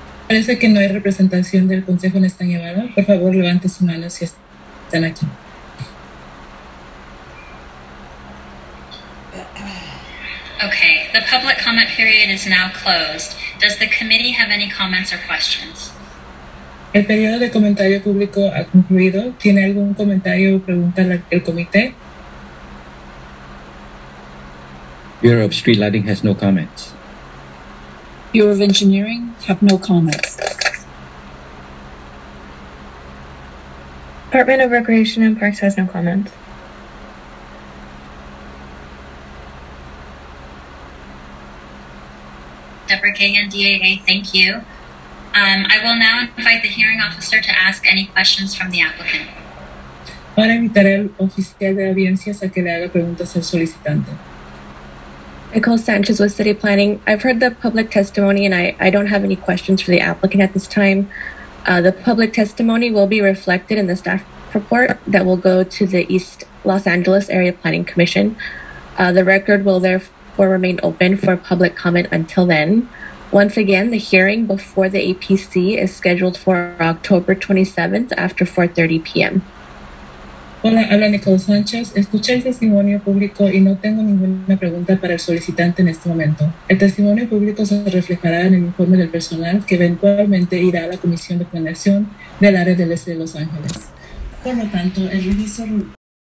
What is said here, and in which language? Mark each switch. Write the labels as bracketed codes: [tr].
[es] Parece que no hay representación del consejo en esta llamada. Por favor, levante su mano si están aquí. [en] Okay, the public comment period is now closed. Does the committee have any comments or questions? [es] El periodo de comentario público ha concluido. ¿Tiene algún comentario o pregunta el comité? [en] Bureau of Street Lighting has no comments. Bureau of Engineering have no comments. Department of Recreation and Parks has no comments. Deborah Kagan, DAA, thank you. I will now invite the hearing officer to ask any questions from the applicant. [es] Para invitar al oficial de audiencias a que le haga preguntas al solicitante. [en] Nicole Sanchez with City Planning. I've heard the public testimony and I don't have any questions for the applicant at this time. The public testimony will be reflected in the staff report that will go to the East Los Angeles Area Planning Commission. The record will therefore remain open for public comment until then. Once again, the hearing before the APC is scheduled for October 27th after 4:30 p.m. [es] Hola, habla Nicole Sánchez. Escuché el testimonio público y no tengo ninguna pregunta para el solicitante en este momento. El testimonio público se reflejará en el informe del personal que eventualmente irá a la Comisión de Planeación del Área del Este de Los Ángeles. Por lo tanto, el registro...